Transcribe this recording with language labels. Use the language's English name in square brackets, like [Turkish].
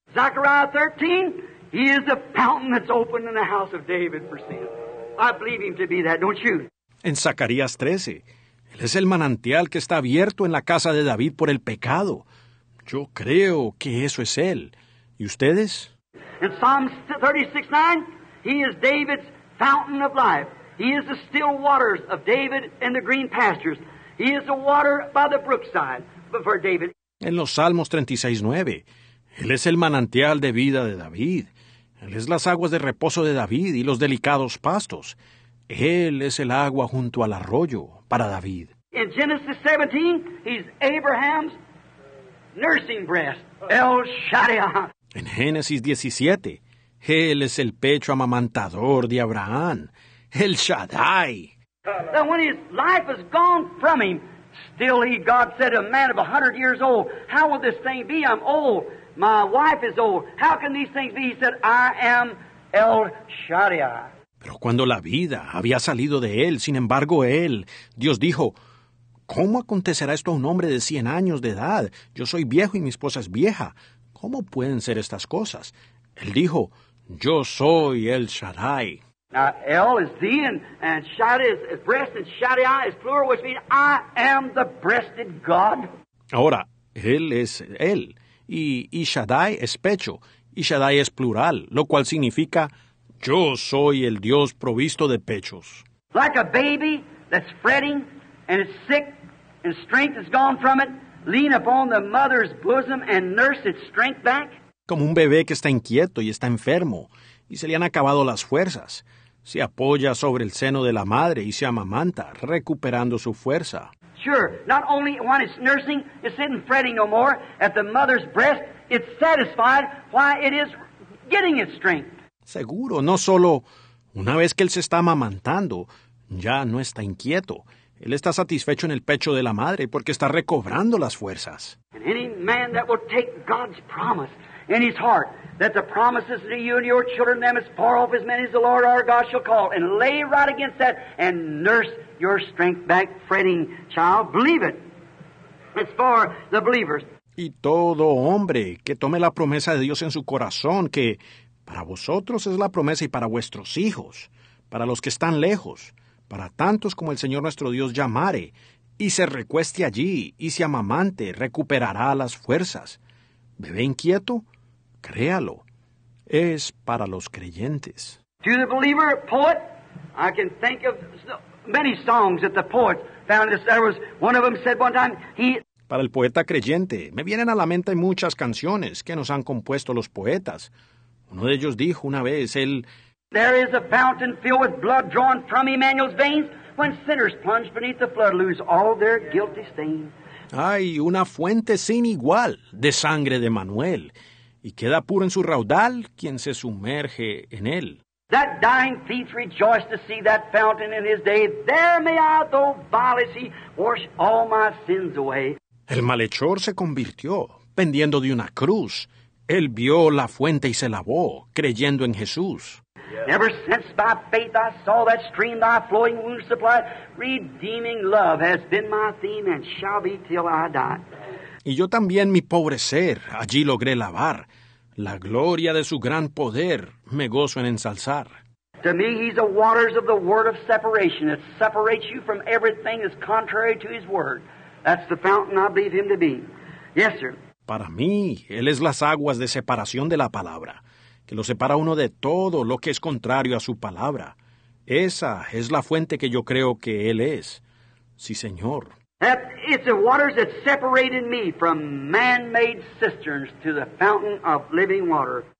[English] Zechariah 13, he is the fountain that's opened in the house of David for sin. I believe him to be that, don't you? [Spanish] En Zacarías 13, él es el manantial que está abierto en la casa de David por el pecado. Yo creo que eso es él. ¿Y ustedes? [English] In Psalms 36:9, he is David's fountain of life. He is the still waters of David and the green pastures. He is the water by the brookside for David. [Spanish] En los Salmos 36:9, él es el manantial de vida de David. Él es las aguas de reposo de David y los delicados pastos. Él es el agua junto al arroyo para David. [English] In Genesis 17, he's Abraham's nursing breast, El Shaddai. [Spanish] En Génesis 17, él es el pecho amamantador de Abraham, El Shaddai. [English] Now when his life is gone from him, still he, God said, a man of 100 years old, how will this thing be? I'm old. My wife is old. How can these things be? He said, I am El Shaddai. [Spanish] Pero cuando la vida había salido de él, sin embargo él, Dios dijo, ¿cómo acontecerá esto a un hombre de 100 años de edad? Yo soy viejo y mi esposa es vieja. ¿Cómo pueden ser estas cosas? Él dijo, yo soy El Shaddai. [English] Now, El is thee, and Shaddai is breast, and Shaddai is plural, which means I am the breasted God. [Spanish] Ahora, él es él. Y Shaddai es pecho, y Shaddai es plural, lo cual significa, yo soy el Dios provisto de pechos. [English] Like a baby that's fretting, and it's sick, and strength is gone from it, lean upon the mother's bosom and nurse its strength back. [Spanish] Como un bebé que está inquieto y está enfermo, y se le han acabado las fuerzas, se apoya sobre el seno de la madre y se amamanta, recuperando su fuerza. [English] Sure, not only when it's nursing, it's sitting fretting no more at the mother's breast, it's satisfied while it is getting its strength. [Spanish] Seguro, no solo una vez que él se está amamantando, ya no está inquieto. Él está satisfecho en el pecho de la madre porque está recobrando las fuerzas. [English] And any man that will take God's promise in his heart, that the promises to you and your children, them as far off as many as the Lord our God shall call, and lay right against that and nurse your strength back, fretting child, believe it. It's for the believers. [Spanish] Y todo hombre que tome la promesa de Dios en su corazón, que para vosotros es la promesa y para vuestros hijos, para los que están lejos, para tantos como el Señor nuestro Dios llamare, y se recueste allí, y se amamante, recuperará las fuerzas. Bebé inquieto, créalo, es para los creyentes. [English] To the believer, poet, I can think of many songs that the poets found. There was one of them said one time, he... [Spanish] Para el poeta creyente, me vienen a la mente muchas canciones que nos han compuesto los poetas. Uno de ellos dijo una vez, él... [English] There is a fountain filled with blood drawn from Emmanuel's veins. When sinners plunge beneath the flood, lose all their guilty stain. [Spanish] Hay una fuente sin igual de sangre de Manuel, y queda puro en su raudal quien se sumerge en él. [English] That dying thief rejoiced to see that fountain in his day. There may I, though vile, see, wash all my sins away. [Spanish] El malhechor se convirtió, pendiendo de una cruz. Él vio la fuente y se lavó, creyendo en Jesús. [English] Ever since by faith I saw that stream, thy flowing wounds supplied, redeeming love has been my theme and shall be till I die. [Spanish] Y yo también mi pobre ser allí logré lavar. La gloria de su gran poder me gozo en ensalzar. [English] To me, he's the waters of the word of separation. It separates you from everything that's contrary to his word. That's the fountain I believe him to be. Yes, sir. [Spanish] Para mí, él es las aguas de separación de la palabra, que lo separa uno de todo lo que es contrario a su palabra. Esa es la fuente que yo creo que él es. Sí, señor. [English] That, it's the waters that separated me from man-made cisterns to the fountain of living water.